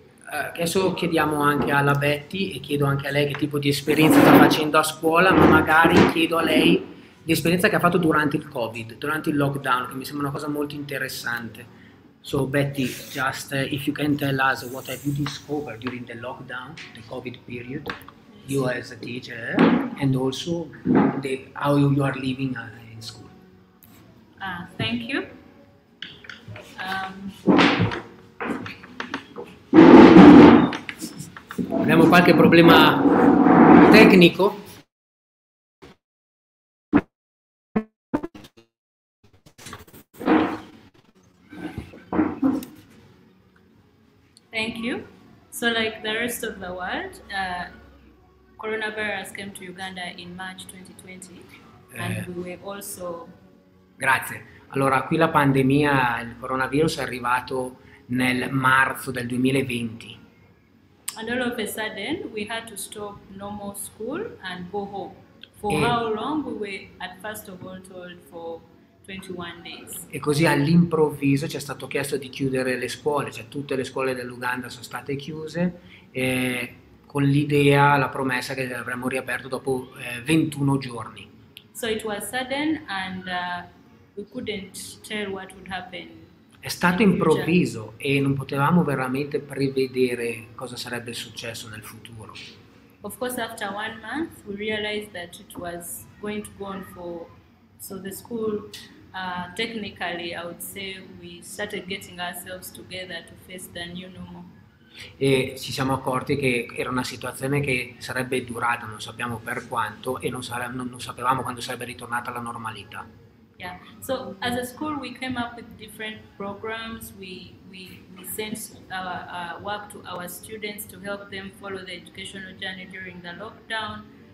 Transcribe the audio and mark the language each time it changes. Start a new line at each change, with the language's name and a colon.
Italian: Adesso chiediamo anche alla Betty e chiedo anche a lei che tipo di esperienza sta facendo a scuola, ma magari chiedo a lei l'esperienza che ha fatto durante il Covid, durante il lockdown, che mi sembra una cosa molto interessante.
English: So Betty, just if you can tell us what have you discovered during the lockdown, the Covid period, you as a teacher, and also the, how you are living in school. Thank you.
Italian: Abbiamo qualche problema tecnico?
English: Thank you. So like the rest of the world, coronavirus came to Uganda in March 2020 and we were also...
Italian: Grazie. Allora, qui la pandemia, il coronavirus è arrivato nel marzo del 2020.
English: And all of a sudden we had to stop normal school and go home. For how long? We were at first of all told for 21 days.
Italian: E così all'improvviso ci è stato chiesto di chiudere le scuole, cioè tutte le scuole dell'Uganda sono state chiuse, con l'idea, la promessa che avremmo riaperto dopo 21 giorni.
English: So it was sudden and we couldn't tell what would happen.
Italian: È stato improvviso e non potevamo veramente prevedere cosa sarebbe successo nel futuro.
English: Of course, after one month, we realized that it was going to go on for. So the school, technically, I would say, we started getting ourselves together to face the new normal.
Italian: E ci siamo accorti che era una situazione che sarebbe durata, non sappiamo per quanto, e non sapevamo quando sarebbe ritornata la normalità.
English: Yeah. So as a school we came up with different programs. We sent our work to our students to help them follow the educational journey during the lockdown.